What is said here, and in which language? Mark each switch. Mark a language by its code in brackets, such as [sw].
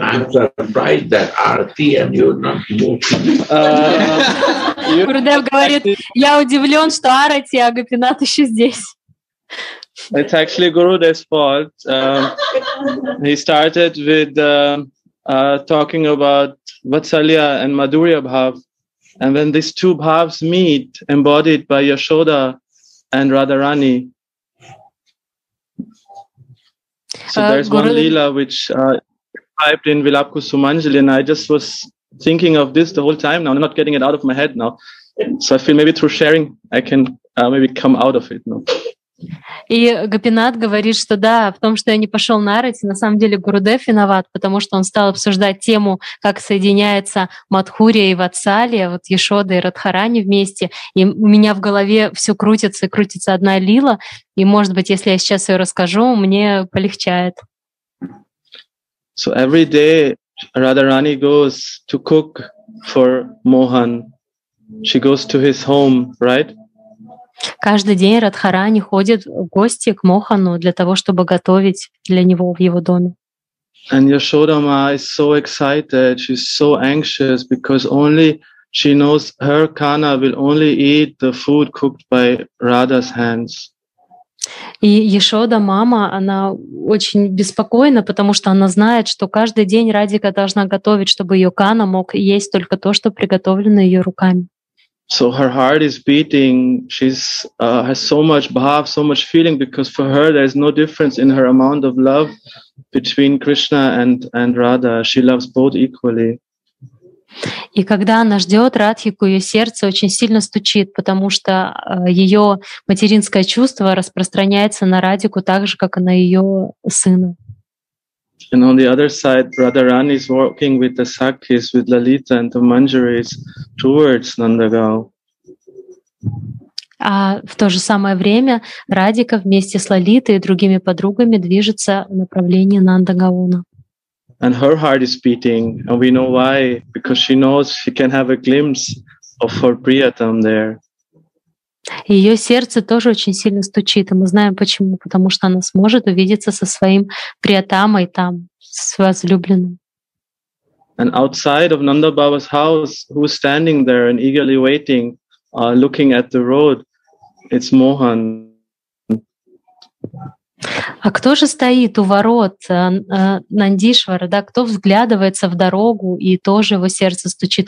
[en] I'm surprised that Arati and you are not moving. [ru] Гурдев говорит, я удивлен, что Арати, а Гопинат еще здесь. [en] It's actually Gurudev's fault. He started with talking about Vatsalya and Madhurya Bhav. And when these two bhavs meet, embodied by Yashoda and Radharani. So there's one lila which piped in Vilapku Sumanjali, and I just was thinking of this the whole time now. I'm not getting it out of my head now. So I feel maybe through sharing I can maybe come out of it now. [ru] И Гопинат говорит, что да, в том, что я не пошел на Арати, на самом деле Гурудев виноват, потому что он стал обсуждать тему, как соединяется Мадхурия и Ватсалия, вот Яшода и Радхарани вместе, и у меня в голове все крутится, и крутится одна лила, и, может быть, если я сейчас ее расскажу, мне полегчает. [en] So every day Radharani goes to cook for Mohan. She goes to his home, right? [ru] Каждый день Радхарани ходит в гости к Мохану для того, чтобы готовить для него в его доме. [en] And Yashoda Ma is so excited, she's so anxious because only she knows her Kana will only eat the food cooked by Radha's hands. [ru] И Яшода мама, она очень беспокоена, потому что она знает, что каждый день Радика должна готовить, чтобы ее Кана мог есть только то, что приготовлено ее руками. [en] So her heart is beating. She's has so much bhav, so much feeling, because for her there is no difference in her amount of love between Krishna and Radha. She loves both equally. [ru] И когда она ждет Радхику, ее сердце очень сильно стучит, потому что ее материнское чувство распространяется на Радику так же, как и на ее сына. [en] And on the other side, Radharani is walking with the Sakis, with Lalita and the Manjaris towards Nandagaon. [ru] А в то же самое время Радика вместе с Лалитой и другими подругами движется в направлении Нандагауна. [en] And her heart is beating, and we know why, because she knows she can have a glimpse of her Priyatam there. [ru] Ее сердце тоже очень сильно стучит, и мы знаем почему, потому что она сможет увидеться со своим Приятамой там, с возлюбленным. [en] And outside of Nanda Baba's house, who's standing there and eagerly waiting, looking at the road, it's Mohan. [ru] А кто же стоит у ворот Нандишвара, да? Кто взглядывается в дорогу и тоже его сердце стучит?